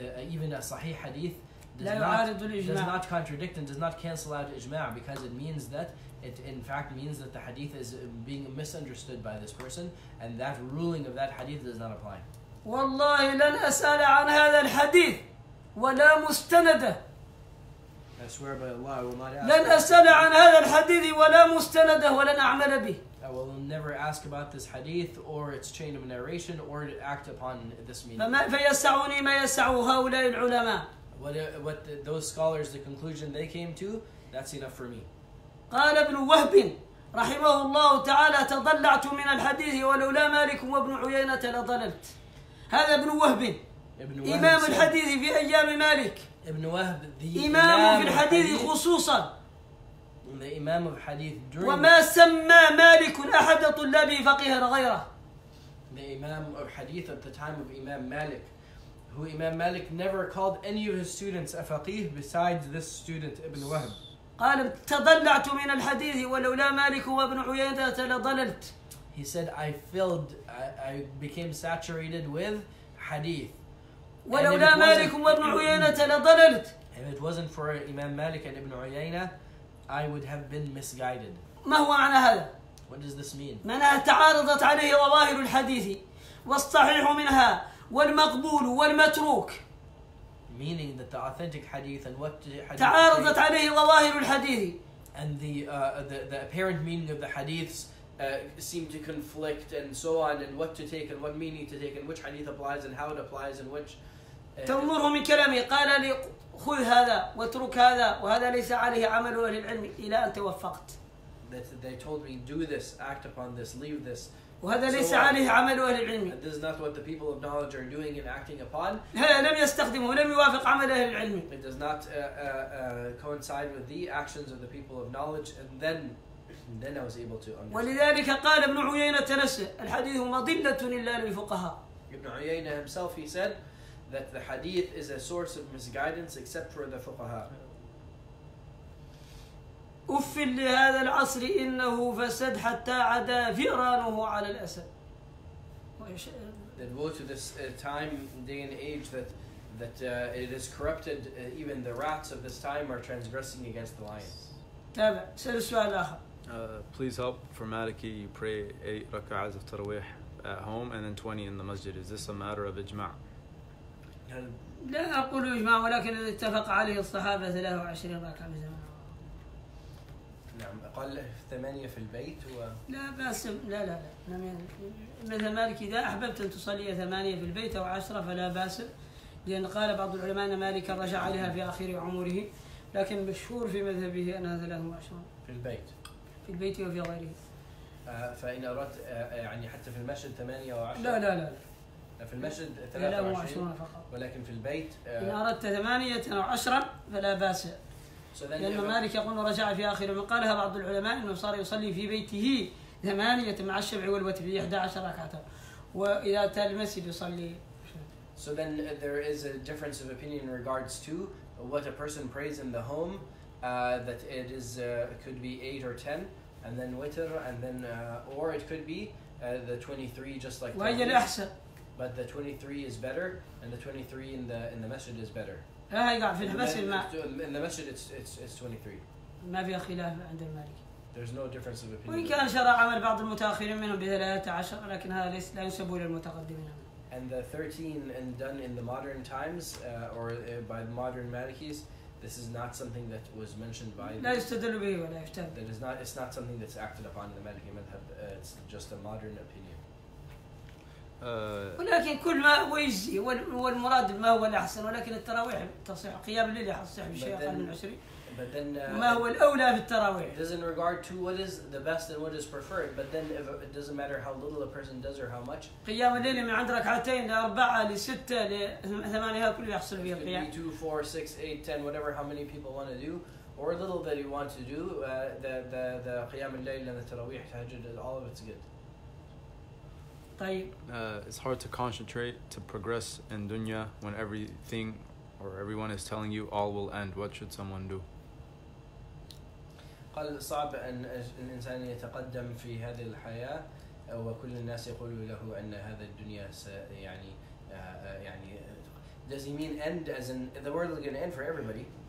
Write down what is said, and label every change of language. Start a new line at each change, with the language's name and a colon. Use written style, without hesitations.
English: even a sahih hadith does not contradict and does not cancel out ijma', because it means that it in fact means that the hadith is being misunderstood by this person, and that ruling of that hadith does not apply.
Arabic: والله لن أسأل عن هذا الحديث ولا مستنده.
English: I swear by Allah, I will not ask.
Arabic: لن أسأل عن هذا الحديث ولا مستنده ولن أعمل به.
English: I will never ask about this hadith or its chain of narration or act upon this meaning.
Arabic: فما فيسعوني ما يسع هؤلاء العلماء.
English: What those scholars, the conclusion they came to, that's enough for me.
Arabic: قال ابن وهب رحمه الله تعالى تضلعت من الحديث ولولا مالك وابن عيينة لضللت. هذا ابن وهب إمام الحديث في أيام مالك. ابن وهب إمام في الحديث خصوصا.
English: The Imam of Hadith during.
Arabic: وما سمى مالك أحد طلابه فقيها غيره.
English: The Imam of Hadith at the time of Imam Malik, who Imam Malik never called any of his students a faqih besides this student Ibn Wahb.
Arabic: قال تضلعت من الحديث ولولا مالك وابن عيينة لضللت.
English: He said I became saturated with hadith.
Arabic: ولولا مالك وابن عيينة لضللت.
English: If it wasn't for Imam Malik and Ibn Uyayna, I would have been misguided.
Arabic: ما هو معنى هذا؟
English: What does this mean?
Arabic: من تعارضت عليه ظواهر الحديث والصحيح منها والمقبول والمتروك.
English: Meaning that the authentic hadith and what hadith
Arabic: تعارضت عليه ظواهر الحديث
English: and the apparent meaning of the hadiths seem to conflict and so on, and what to take and what meaning to take and which hadith applies and how it applies and which
Arabic: تنظره من كلامي قال لي خذ هذا واترك هذا وهذا ليس عليه عمل أهل العلم إلى أن توفقت.
English: That they told me do this, act upon this, leave this.
Arabic: وهذا ليس عليه عمل أهل العلم.
English: This is not what the people of knowledge are doing and acting upon.
Arabic: هذا لم يستخدمه ولم يوافق عمل أهل العلم.
English: It does not coincide with the actions of the people of knowledge, and then I was able to understand.
Arabic: ولذلك قال ابن عيينة نفسه الحديث مضلة إلا للفقهاء.
English: Ibn Uyayna himself, he said that the hadith is a source of misguidance except for the fuqaha.
Arabic: أُفِّ لهذا العصر إنه فسد حتى عدا فيرانه على الأسد.
English: That woe to this time, day and age that it is corrupted. Even the rats of this time are transgressing against the lions.
Arabic: تابع. سأل سؤال آخر.
English: Please help for Maliki. You pray 8 rak'ahs of tarawih at home and then 20 in the masjid. Is this a matter of ijma'?
Arabic: لا أقول إجماع ولكن اتفق عليه الصحابة 23 ركعة في الجماعة. نعم قال 8 في البيت و. لا بس لا لا لا مثل مالك إذا أحببت أن تصلي 8 في البيت أو 10 فلا بأس لأن قال بعض العلماء أن مالك رجع عليها في آخر عمره لكن مشهور في مذهبه أنها 23 في البيت. في البيت وفي غيره. فإن أردت يعني حتى في المسجد 8 أو 10. لا لا لا. في المسجد 23 فقط ولكن في البيت إن أردت 8 أو 10 فلا بأس لأن مالك يقول رجع في آخر من قالها بعض العلماء أنه صار يصلي في بيته 8 مع الشبع والوتر 11 ركعة وإذا أتى المسجد يصلي.
English: So then there is a difference of opinion in regards to what a person prays in the home that it is could be 8 or 10 and then witr and then or it could be the 23 just like
Arabic: وهي الأحسن.
English: But the 23 is better, and the 23 in the masjid is better. Ah, I got in the masjid. In the masjid, it's 23.
Arabic: ما في خلاف عند المالك.
English: There's no difference of opinion.
Arabic: وإن كان شرع عمل بعض المتأخرين منهم ب13، لكن هذا ليس لا ينسب إلى المتقدمين.
English: And the 13 and done in the modern times or by the modern Malikis, this is not something that was mentioned by.
Arabic: لا يستدل به ولا يفتهم.
English: That is not. It's not something that's acted upon in the Maliki madhab. It's just a modern opinion.
Arabic: ولكن كل ما هو يجزي والمراد ما هو الأحسن ولكن التراويح تصح قيام الليل يصح بشيء أقل من 20 ما هو الأولى في التراويح.
English: It is in regard to what is the best and what is preferred. But then if it doesn't matter how little a person does or how much.
Arabic: قيام الليل من عند ركعتين لأربعة لستة لثمانية هذا كله يحصل فيه القيام.
English: It could be 2, 4, 6, 8, 10, whatever how many people want to do or little that you want to do. The قيام الليل and the تراويح تهجد all of it's good. It's hard to concentrate to progress in dunya when everything or everyone is telling you all will end. What should someone do?
Arabic: قال صعب أن الإنسان يتقدم في هذه الحياة وكل الناس يقولوا له أن هذا الدنيا يعني يعني
English: does he mean end as in the world is going to end for everybody?